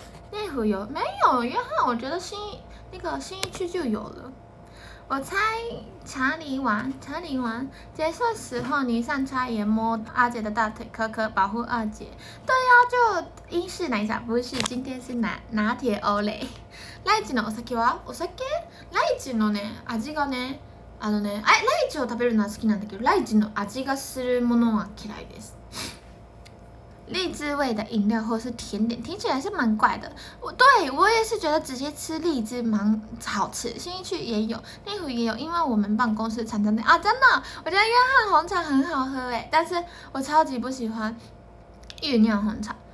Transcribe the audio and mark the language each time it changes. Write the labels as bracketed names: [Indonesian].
[Chinese] 内湖有没有约翰？我觉得新一区就有了。我猜查理玩结束时候，你上车也摸阿姐的大腿，可可保护阿姐。对呀、啊，就英式奶茶，不是，今天是拿铁欧蕾。 [Japanese] ライチのお酒は？お酒？ライチのね、味がね、あのね、あ、ライチを食べるのは好きなんだけど、ライチの味がするものは嫌いです。 [Chinese] 荔枝味的饮料或是甜点，听起来是蛮怪的。我也是觉得直接吃荔枝蛮好吃。新一区也有，内湖也有，因为我们办公室餐厅啊，真的，我觉得约翰红茶很好喝哎，但是我超级不喜欢酝酿红茶。